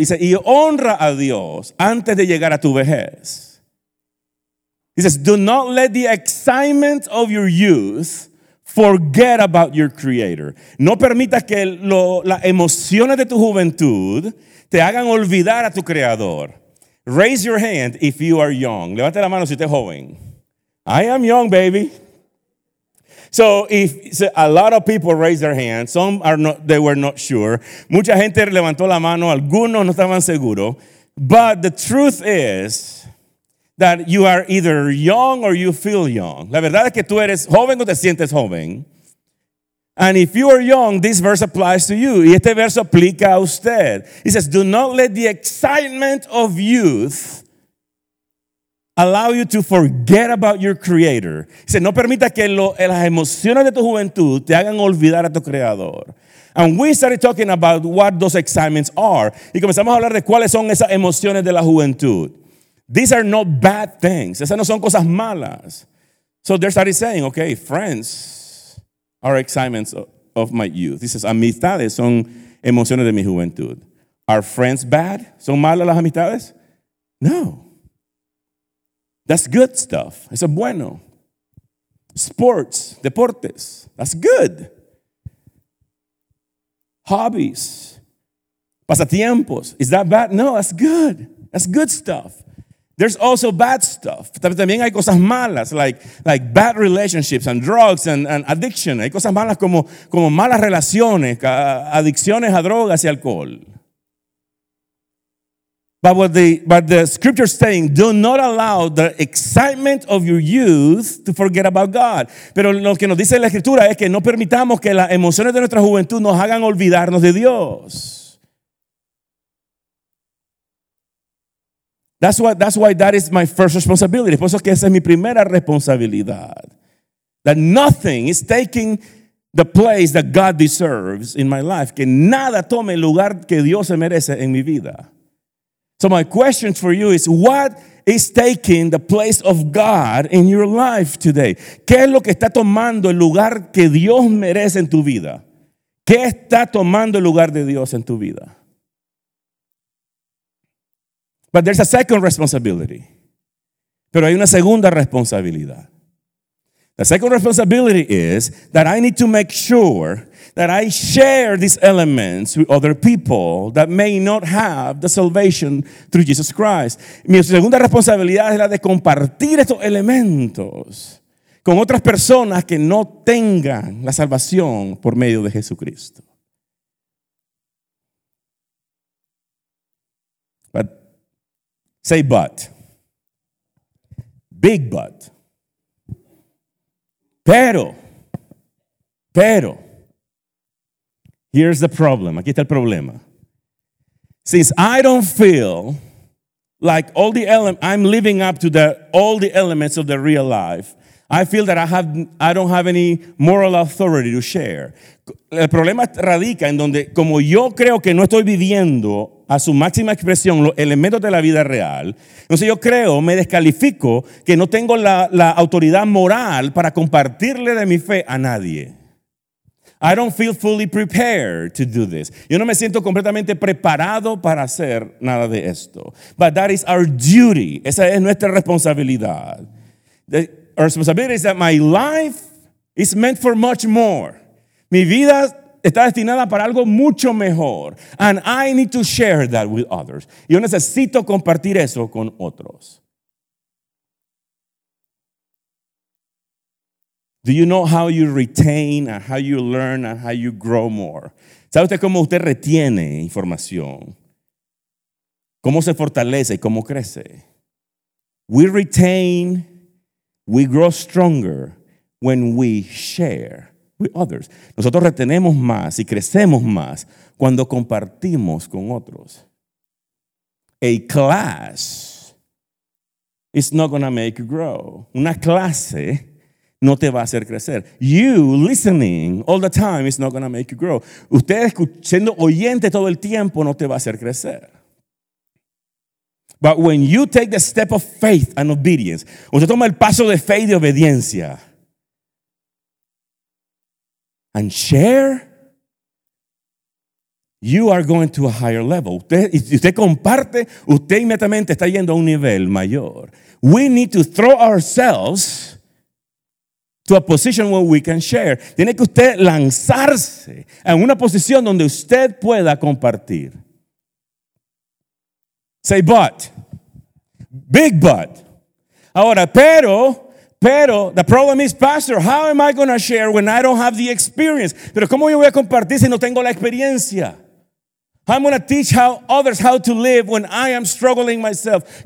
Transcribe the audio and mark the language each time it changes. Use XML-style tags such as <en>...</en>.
<en>It says,</en> <es>y honra a Dios antes de llegar a tu vejez.</es> <en>It says, do not let the excitement of your youth forget about your creator.</en> <es>No permitas que las emociones de tu juventud te hagan olvidar a tu creador.</es> <en>Raise your hand if you are young.</en> <es>Levante la mano si usted es joven.</es> <en>I am young, baby. So if so a lot of people raise their hand, some are not, they were not sure.</en> <es>Mucha gente levantó la mano, algunos no estaban seguros.</es> <en>But the truth is that you are either young or you feel young.</en> <es>La verdad es que tú eres joven o te sientes joven.</es> <en>And if you are young, this verse applies to you.</en> <es>Y este verso aplica a usted.</es> <en>It says, do not let the excitement of youth allow you to forget about your creator.</en> <es>Dice, no permita que las emociones de tu juventud te hagan olvidar a tu creador.</es> <en>And we started talking about what those excitements are.</en> <es>Y comenzamos a hablar de cuáles son esas emociones de la juventud.</es> <en>These are not bad things.</en> <es>Esas no son cosas malas.</es> <en>So they started saying, okay, friends are excitements of my youth.</en> <es>Dice, amistades son emociones de mi juventud.</es> <en>Are friends bad?</en> <es>¿Son malas las amistades? No.</es> <en>That's good stuff.</en> <es>Eso es bueno.</es> <en>Sports, deportes. That's good. Hobbies. Pasatiempos. Is that bad? No, that's good. That's good stuff. There's also bad stuff.</en> <es>También hay cosas malas,</es> <en>like bad relationships and drugs and addiction.</en> <es>Hay cosas malas como malas relaciones, adicciones a drogas y alcohol.</es> <en>But what the scripture is saying, do not allow the excitement of your youth to forget about God.</en> <es>Pero lo que nos dice la escritura es que no permitamos que las emociones de nuestra juventud nos hagan olvidarnos de Dios.</es> <en>That's why that is my first responsibility.</en> <es>Por eso que esa es mi primera responsabilidad.</es> <en>That nothing is taking the place that God deserves in my life.</en> <es>Que nada tome el lugar que Dios se merece en mi vida.</es> <en>So my question for you is, what is taking the place of God in your life today?</en> <es>¿Qué es lo que está tomando el lugar que Dios merece en tu vida? ¿Qué está tomando el lugar de Dios en tu vida?</es> <en>But there's a second responsibility.</en> <es>Pero hay una segunda responsabilidad.</es> <en>The second responsibility is that I need to make sure that I share these elements with other people that may not have the salvation through Jesus Christ.</en> <es>Mi segunda responsabilidad es la de compartir estos elementos con otras personas que no tengan la salvación por medio de Jesucristo.</es> <en>But say but. Big but. Pero.</en> <es>Pero,</es> <en>here's the problem.</en> <es>Aquí está el problema.</es> <en>Since I don't feel like all the elements, I'm living up to the, all the elements of the real life, I feel that I don't have any moral authority to share.</en> <es>El problema radica en donde, como yo creo que no estoy viviendo a su máxima expresión los elementos de la vida real, entonces yo creo, me descalifico, que no tengo la autoridad moral para compartirle de mi fe a nadie.</es> <en>I don't feel fully prepared to do this.</en> <es>Yo no me siento completamente preparado para hacer nada de esto.</es> <en>But that is our duty.</en> <es>Esa es nuestra responsabilidad.</es> <en>Our responsibility is that my life is meant for much more.</en> <es>Mi vida está destinada para algo mucho mejor.</es> <en>And I need to share that with others.</en> <es>Yo necesito compartir eso con otros.</es> <en>Do you know how you retain and how you learn and how you grow more?</en> <es>¿Sabe usted cómo usted retiene información? ¿Cómo se fortalece y cómo crece?</es> <en>We retain, we grow stronger when we share with others.</en> <es>Nosotros retenemos más y crecemos más cuando compartimos con otros.</es> <en>A class is not going to make you grow.</en> <es>Una clase no te va a hacer crecer.</es> <en>You listening all the time is not going to make you grow.</en> <es>Usted siendo oyente todo el tiempo no te va a hacer crecer.</es> <en>But when you take the step of faith and obedience,</en> <es>usted toma el paso de fe y de obediencia</es> <en>and share, you are going to a higher level.</en> <es>Usted comparte, usted inmediatamente está yendo a un nivel mayor.</es> <en>We need to throw ourselves to a position where we can share.</en> <es>Tiene que usted lanzarse en una posición donde usted pueda compartir.</es> <en>Say but. Big but.</en> <es>Ahora, pero,</es> <en>the problem is, pastor, how am I going to share when I don't have the experience?</en> <es>Pero ¿cómo yo voy a compartir si no tengo la experiencia?</es> <en>I'm going to teach how others how to live when I am struggling myself.</en>